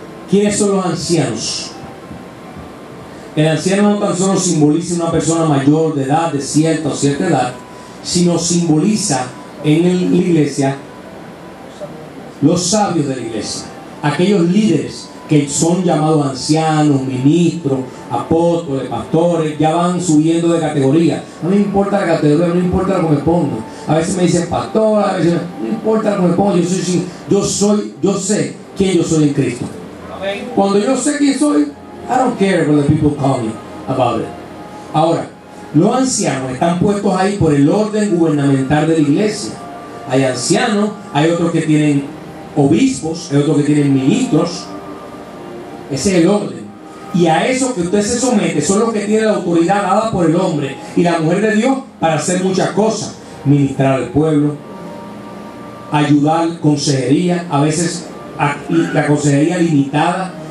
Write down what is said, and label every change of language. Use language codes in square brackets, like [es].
[es] ¿Quiénes son los ancianos? El anciano no tan solo simboliza una persona mayor de edad, de cierta o cierta edad, sino simboliza en la iglesia los sabios de la iglesia, aquellos líderes que son llamados ancianos, ministros, apóstoles, pastores. Ya van subiendo de categoría. No me importa la categoría, no importa lo que me pongo. A veces me dicen pastor, a veces no importa lo que me pongo. Yo sé quién yo soy en Cristo. Cuando yo sé quién soy, [en] I don't care what the people call me about it. [es] Ahora, los ancianos están puestos ahí por el orden gubernamental de la iglesia. Hay ancianos, hay otros que tienen obispos, hay otros que tienen ministros. Ese es el orden. Y a eso que usted se somete son los que tienen la autoridad dada por el hombre y la mujer de Dios para hacer muchas cosas: ministrar al pueblo, ayudar, consejería, a veces la consejería limitada.